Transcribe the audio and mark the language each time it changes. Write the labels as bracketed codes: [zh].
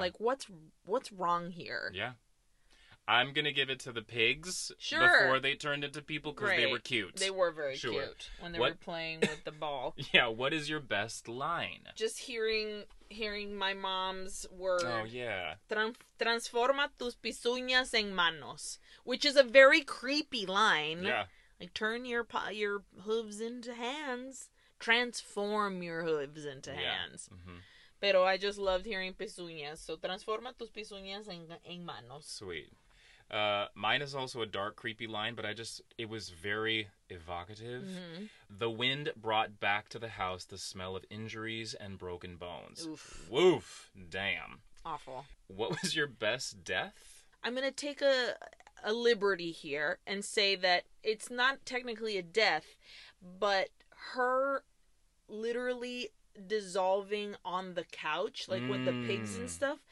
[en] Like, what's wrong here? Yeah. I'm gonna give it to the pigs. Sure. Before they turned into people, because they were cute. They were very sure. cute. When they were playing with the ball. Yeah, what is your best line? Just hearing my mom's word. Oh, yeah. [es] Transforma tus pisuñas en manos. [en] Which is a very creepy line. Yeah. Like, turn your hooves into hands. Transform your hooves into yeah. hands. Mm-hmm. [es] Pero [en] I just loved hearing pisuñas. [es] So, transforma tus pisuñas en manos. [en] Sweet. Mine is also a dark, creepy line, but it was very evocative. Mm-hmm. The wind brought back to the house the smell of injuries and broken bones. Oof. Woof. Damn. Awful. What was your best death? I'm going to take a liberty here and say that it's not technically a death, but her literally dissolving on the couch, like with the pigs and stuff,